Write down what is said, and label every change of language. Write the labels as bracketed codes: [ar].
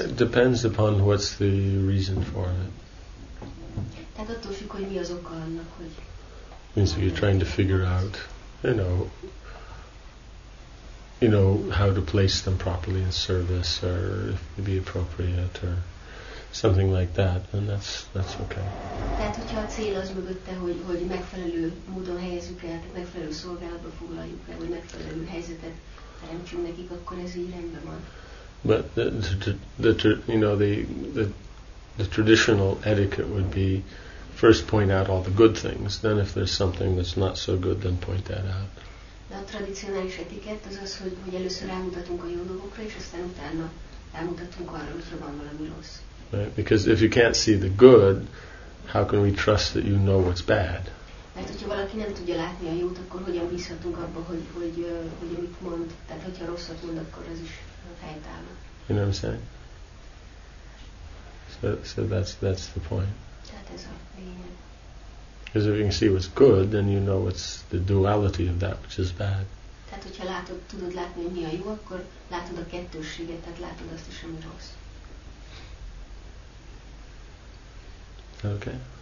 [en] It depends upon what's the reason for it. [hu] Tehát attól függ, hogy mi az oka annak, hogy... [en] Means you're trying to figure out, you know, how to place them properly in service or if it be appropriate or something like that, and that's okay. [hu] Tehát, hogyha a cél az mögötte, hogy megfelelő módon helyezzük el, megfelelő szolgálatba foglaljuk el, vagy megfelelő helyzetet teremtsünk nekik, akkor ez így rendben van. [en] But the traditional etiquette would be first point out all the good things, then if there's something that's not so good, then point that out. [hu] De a tradicionális etikett az az, hogy, hogy először elmutatunk a jó dolgokra, és aztán utána elmutatunk arra, hogy van valami rossz. [en] Right, because if you can't see the good, how can we trust that you know what's bad? [hu] Mert hogyha valaki nem tudja látni a jót, akkor hogyan bízhatunk abba, hogy, hogy, hogy mit mond? Tehát hogyha rosszat mond, akkor az is helytálló. [en] You know what I'm saying? So that's the point. [hu] Tehát ez a lényeg. [en] Because if you can see what's good, then you know what's the duality of that which is bad. [hu] Tehát hogyha látod, tudod látni, mi a jó, akkor látod a kettősséget, tehát látod azt is, ami rossz. [en] Okay.